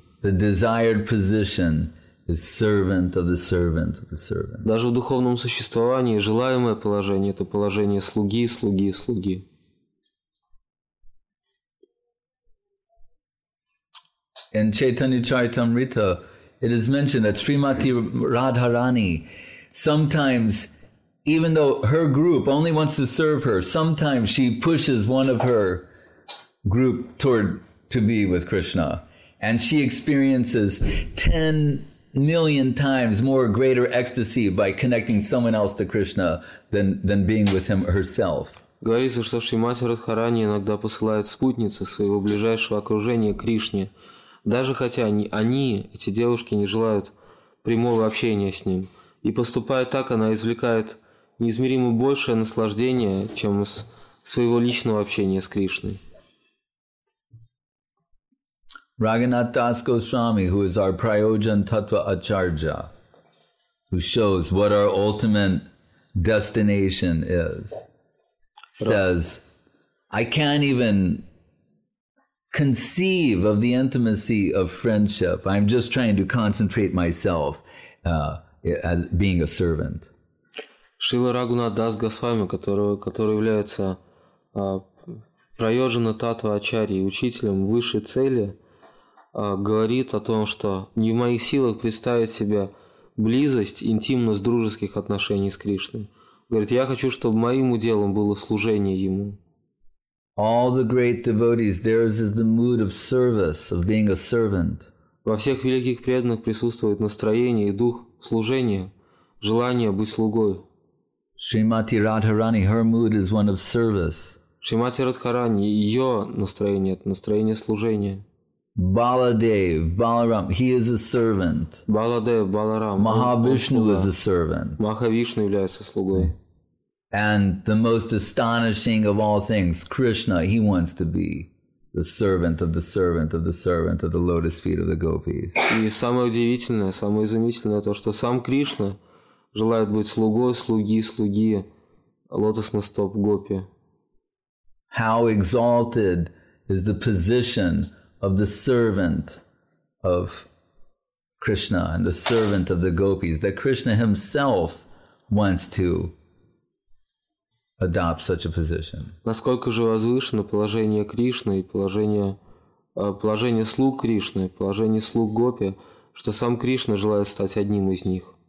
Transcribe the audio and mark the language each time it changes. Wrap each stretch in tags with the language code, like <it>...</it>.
<en>The desired position is servant of the servant of the servant.</en> <ru>Даже в духовном существовании желаемое положение — это положение слуги, слуги, слуги.</ru> <en>In Chaitanya Charitamrita, it is mentioned that Srimati Radharani sometimes, even though her group only wants to serve her, sometimes she pushes one of her group toward to be with Krishna. And she experiences 10 million times more greater ecstasy by connecting someone else to Krishna than being with him herself.</en> <ru>Говорится, что Шримати Радхарани иногда посылает спутницы своего ближайшего окружения Кришне, даже хотя они, эти девушки, не желают прямого общения с ним. И поступая так, она извлекает неизмеримо большее наслаждение, чем из своего личного общения с Кришной.</ru> <en>Raghunath Das Goswami, who is our Prayojan Tattva Acharya, who shows what our ultimate destination is, says, I can't even conceive of the intimacy of friendship. I'm just trying to concentrate myself as being a servant.</en> <ru>Шрила Рагхунат Дас Госвами, который является Прайоджана Татва Ачарьи, учителем высшей цели, говорит о том, что не в моих силах представить себе близость, интимность дружеских отношений с Кришной. Говорит, я хочу, чтобы моим уделом было служение Ему.</ru> <en>All the great devotees, theirs is the mood of service, of being a servant.</en> <ru>Во всех великих преданных присутствует настроение и дух служения, желание быть слугой.</ru> <en>Shrimati Radharani, her mood is one of service.</en> <ru>Shrimati Radharani, ее настроение — это настроение служения.</ru> <en>Baladev, Balaram, he is a servant.</en> <ru>Baladev, Balaram.</ru> <en>Mahavishnu is a servant.</en> <ru>Mahavishnu является слугой.</ru> <en>And the most astonishing of all things, Krishna, he wants to be the servant of the servant of the servant of the lotus feet of the gopis.</en> <ru>И самое удивительное, самое изумительное то, что сам Кришна желает быть слугой, слуги, слуги лотосных стоп гопи.</ru> <en>How exalted is the position of the servant of Krishna and the servant of the gopis that Krishna himself wants to adopt such a position.</en> <ru>Насколько же возвышено положение Кришны и положение слуг Кришны, положение слуг гопи, что сам Кришна желает стать одним из них.</ru>